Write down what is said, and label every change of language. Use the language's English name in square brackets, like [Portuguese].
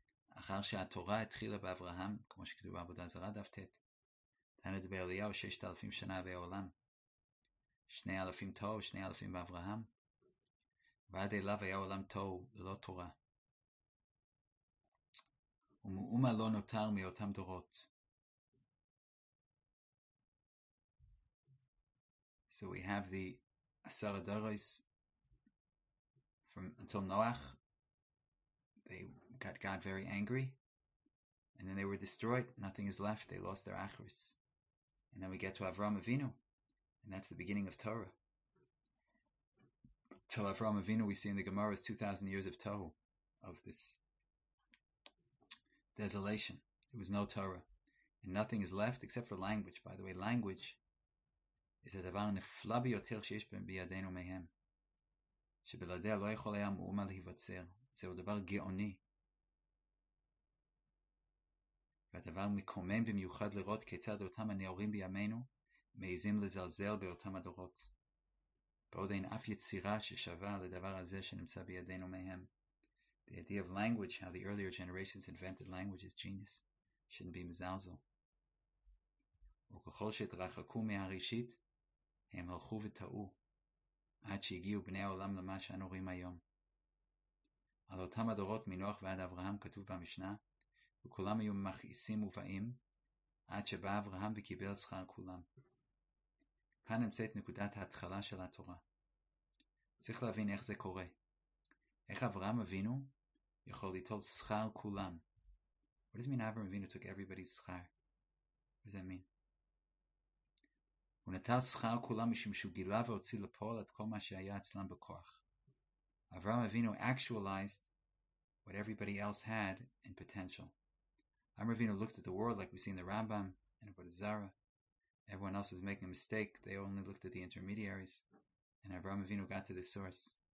[Hebrew] אחר שהתורה התחילה באברהם, כמו שכתוב בעבודה זרה דף ת', תנת באליהו 6,000 שנה בעולם, 2,000 תוהו, 2,000 באברהם, ועד אליו היה עולם תוהו, ללא תורה. ומאומה לא נותר מאותם דורות. [English] So we have the Asara Doros from until Noach. They got God very angry. And then they were destroyed. Nothing is left. They lost their Achris. And then we get to Avraham Avinu. And that's the beginning of Torah. Till Avraham Avinu we see in the Gemara is 2,000 years of Tohu. Of this desolation. There was no Torah. And nothing is left except for language. By the way, language [Hebrew] את הדבר הנפלא ביותר שיש בידינו מהם, שבלעדיה לא יכול היה מאומה להיווצר. זהו דבר גאוני. והדבר מקומם במיוחד לראות כיצד אותם הנאורים בימינו מעיזים לזלזל באותם הדורות. בעוד אין אף יצירה ששווה לדבר הזה שנמצא בידינו מהם. [English] The idea of language, how the earlier generations invented language is genius, shouldn't be mezalzel. [Hebrew] וככל שהתרחקו מהראשית, הם הלכו וטעו, עד שהגיעו בני העולם למה שאנו רואים היום. על אותם הדורות מנוח ועד אברהם כתוב במשנה, וכולם היו מכעיסים ובאים, עד שבא אברהם וקיבל שכר כולם. כאן נמצאת נקודת ההתחלה של התורה. צריך להבין איך זה קורה. איך אברהם אבינו יכול ליטול שכר כולם. [English] What does mean Abraham Avinu took everybody's שכר? What does that mean? [Hebrew] הוא נטל שכר כולם משום שהוא גילה והוציא לפועל את כל מה שהיה אצלם בכוח. [English] אברהם אבינו actualized what everybody else had in potential. אברהם אבינו looked at the world like we've seen the Rambam and Abu Zara. Everyone else was making a mistake. They only looked at the intermediaries. And אברהם אבינו got to the source.